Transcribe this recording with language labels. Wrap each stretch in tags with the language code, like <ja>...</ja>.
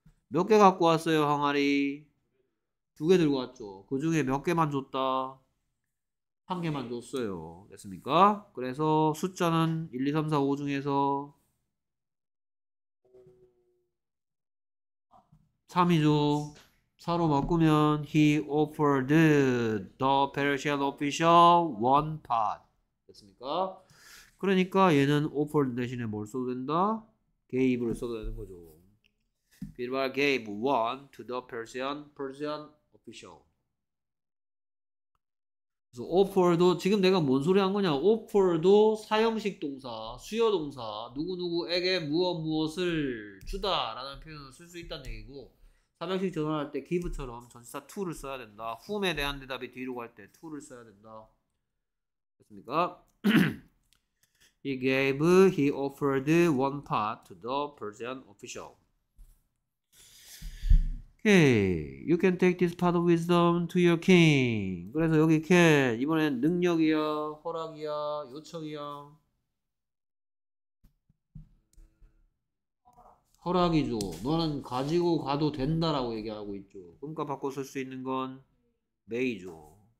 <ko>몇개 갖고 왔어요, 항아리? 두개 들고 왔죠. 그 중에 몇 개만 줬다? 한 개만 줬어요. 됐습니까? 그래서 숫자는 1, 2, 3, 4, 5 중에서 3이죠. 4로 바꾸면</ko> <en>he offered the Persian official one pot.</en> <ko>됐습니까? 그러니까 얘는 offered 대신에 뭘 써도 된다?</ko> <en>gave를</en> <ko>써도 되는 거죠.</ko> <en>Birbal gave one to the Persian official.</en> <ko>오퍼도 지금 내가 뭔 소리 한 거냐? 오퍼도 사형식 동사, 수여 동사, 누구누구에게 무엇무엇을 주다라는 표현을 쓸수 있다는 얘기고, 사형식 전환할 때 give처럼 전치사 to를 써야 된다. whom에 대한 대답이 뒤로 갈때 to를 써야 된다. 됐습니까?</ko> <en>he offered one pot to the Persian official. Hey, you can take this pot of wisdom to your king.</en> <ko>그래서 여기 can 이번엔 능력이야, 허락이야, 요청이야. 허락이죠. 너는 가지고 가도 된다라고 얘기하고 있죠. 그러니까 바꿔 쓸수 있는 건 may죠.</ko>